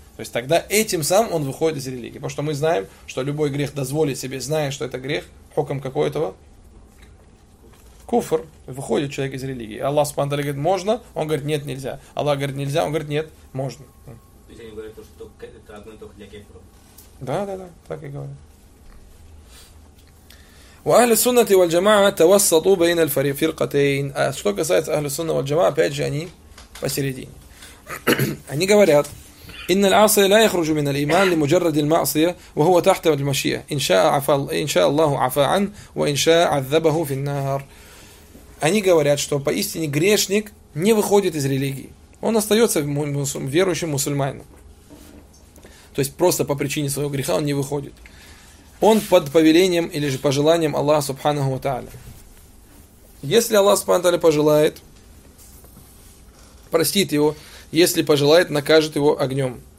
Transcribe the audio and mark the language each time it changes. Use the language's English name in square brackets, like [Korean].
[Russian] То есть тогда этим сам он выходит из религии. Потому что мы знаем, что любой грех дозволит себе, зная, что это грех, хоком какой-то. Куфр. Выходит человек из религии. Аллах субхана ва тааля говорит, можно? Он говорит, нет, нельзя. Аллах говорит, нельзя? Он говорит, нет, можно. То есть они говорят, что это одно и то для кефиров. Да, да, да. Так и говорят. [Arabic] وأهل السنة والجماعة توسطوا بين الفرقتين. [Russian] Что касается أهل السنة والجماعة, опять же они посередине. Они говорят: [Arabic] إن العاصي لا يخرج من الإيمان لمجرد المعصية وهو تحت المشيئة. إن شاء عفا, إن شاء الله عفا عن, وإن شاء عذبه في النار. [Russian] Они говорят, что поистине грешник не выходит из религии. Он остается верующим мусульманином. То есть просто по причине своего греха он не выходит. Он под повелением или же пожеланием Аллаха Субханаху ва Тааля. Если Аллах Субханаху ва Тааля пожелает, простит его, если пожелает, накажет его огнем.